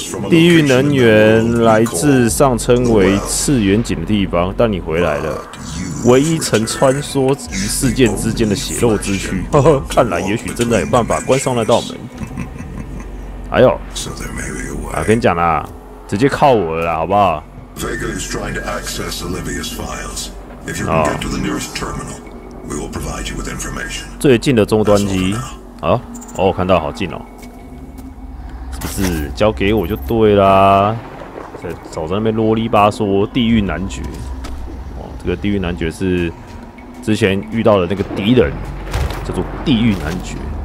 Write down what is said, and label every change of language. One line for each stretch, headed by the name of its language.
Chinese: 地狱能源来自上称为次元井的地方，但你回来了，唯一曾穿梭于事件之间的血肉之躯。呵呵，看来也许真的有办法关上那道门。哎呦，啊，跟你讲啦，直接靠我了啦，好不好？
English: Vega is trying to access Olivia's files. If you can get to the nearest terminal, we will provide you with information.
Chinese: 最近的终端机，啊，哦，看到好近哦，是不是交给我就对啦？在走在那边啰里吧嗦，地狱男爵。哦，这个地狱男爵是之前遇到的那个敌人，叫做地狱男爵。